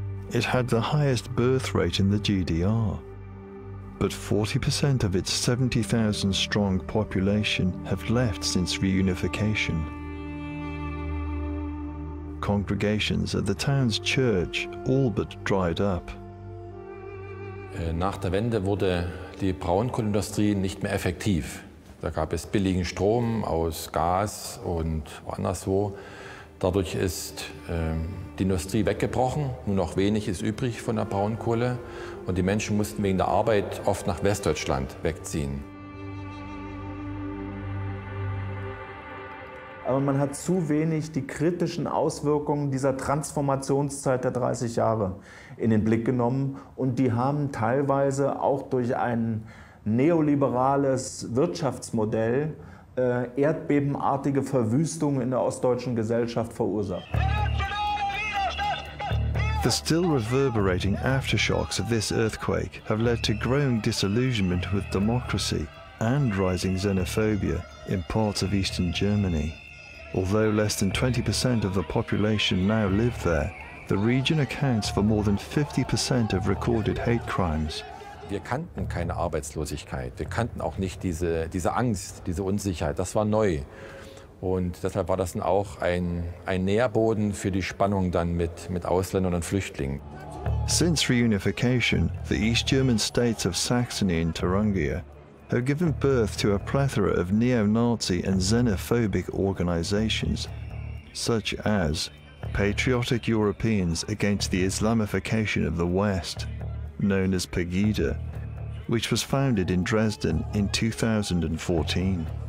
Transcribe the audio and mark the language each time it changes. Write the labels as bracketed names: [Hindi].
[English] It had the highest birth rate in the GDR. But 40% of its 70,000-strong population have left since reunification. Congregations at the town's church all but dried up. [German] Nach der Wende wurde die Braunkohlindustrie nicht mehr effektiv. Da gab es billigen Strom aus Gas und anderswo. Dadurch ist die Industrie weggebrochen. Nur noch wenig ist übrig von der Braunkohle. Und die Menschen mussten wegen der Arbeit oft nach Westdeutschland wegziehen. Aber man hat zu wenig die kritischen Auswirkungen dieser Transformationszeit der 30 Jahre in den Blick genommen. Und die haben teilweise auch durch ein neoliberales Wirtschaftsmodell erdbebenartige Verwüstungen in der ostdeutschen Gesellschaft verursacht. [English] The still reverberating aftershocks of this earthquake have led to growing disillusionment with democracy and rising xenophobia in parts of eastern Germany. Although less than 20% of the population now live there, the region accounts for more than 50% of recorded hate crimes. [German] Wir kannten keine Arbeitslosigkeit, wir kannten auch nicht diese Angst, diese Unsicherheit, das war neu. Und deshalb war das dann auch ein Nährboden für die Spannung dann mit Ausländern und Flüchtlingen. [English] Since reunification, the East German states of Saxony and Thuringia have given birth to a plethora of neo-Nazi and xenophobic organizations, such as Patriotic Europeans Against the Islamification of the West, known as Pegida, which was founded in Dresden in 2014.